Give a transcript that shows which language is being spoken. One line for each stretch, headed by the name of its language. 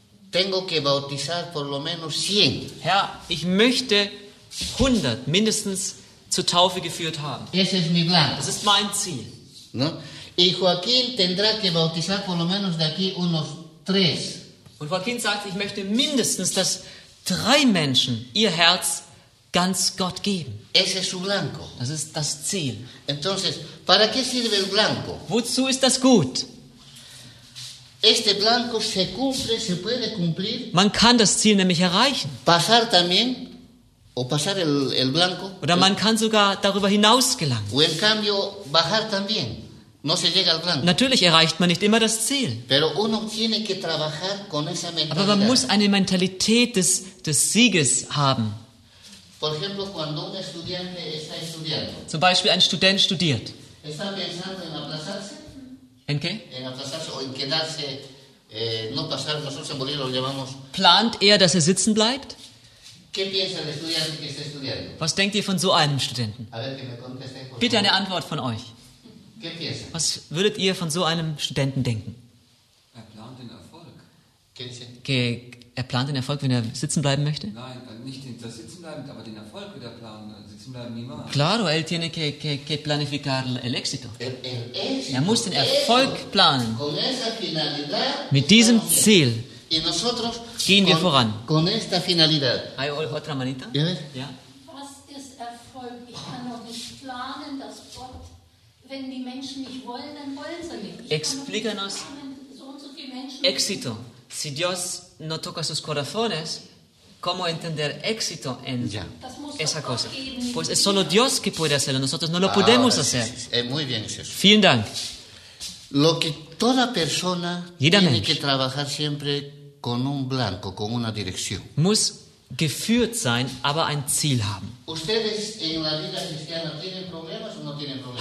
Spanish: Tengo que bautizar por lo menos 100.
German: Herr, ich möchte 100 mindestens zur Taufe geführt haben.
Spanish: Ese es mi blanco.
German: Das ist mein Ziel.
Spanish: No? Y Joaquín tendrá que bautizar por lo menos de aquí unos 3.
German: Und Joaquín sagt, ich möchte mindestens, dass 3 Menschen ihr Herz ganz Gott geben.
Spanish: Ese es su blanco.
German: Das ist das Ziel.
Spanish: Entonces, ¿para qué sirve el blanco?
German: Wozu ist das gut?
Spanish: Este blanco se cumple, se puede cumplir.
German: Man kann das Ziel nämlich erreichen.
Spanish: Pasar también, o pasar el blanco.
German: Oder man kann sogar darüber hinaus gelangen.
Spanish: O en cambio, bajar también. No se llega al blanco.
German: Natürlich erreicht man nicht immer das Ziel.
Spanish: Pero uno tiene que trabajar con esa mentalidad.
German: Aber man muss eine Mentalität des Sieges haben.
Spanish: Por ejemplo, cuando un estudiante está estudiando.
German: Zum Beispiel ein Student studiert.
Spanish: Está pensando en aplazarse. ¿En qué? En aplazarse o en quedarse, no pasar, nosotros en Bolivia lo llamamos.
German: Plant er, dass er sitzen bleibt?
Spanish: ¿Qué piensa el estudiante que está estudiando?
German: Was denkt ihr von so einem Studenten?
Spanish: A ver, que me conteste, por
German: bitte eine Antwort von euch.
Spanish: ¿Qué piensa?
German: Was würdet ihr von so einem Studenten denken? Er plant den Erfolg. Er plant den Erfolg, wenn er sitzen bleiben möchte? Nein, nicht das Sitzen bleiben, aber den Erfolg wird er planen. Sitzen bleiben niemals.
Spanish: Claro, él tiene que planificar el éxito. El
German: er muss den Erfolg
Spanish: eso,
German: planen.
Spanish: Con esa finalidad,
German: mit diesem okay. Ziel
Spanish: y nosotros,
German: gehen wir voran.
Spanish: Con esta finalidad. Hay otra manita?
German: Ja. Ja. Was ist Erfolg? Ich kann doch nicht planen, dass Gott, wenn die Menschen nicht wollen, dann wollen sie nicht.
Spanish: Explícanos.
German: So und so viele Menschen.
Spanish: Éxito. Si Dios no toca sus corazones, ¿cómo entender éxito en ya. esa cosa? Pues es solo Dios que puede hacerlo, nosotros no lo podemos Ahora, hacer. Sí, sí. Muy bien, Jesús.
German: Vielen Dank.
Spanish: Lo que toda persona tiene que trabajar siempre con un blanco, con una dirección.
German: Muss geführt sein, aber ein Ziel haben.
Spanish: ¿Ustedes en la vida cristiana tienen problemas o no tienen problemas?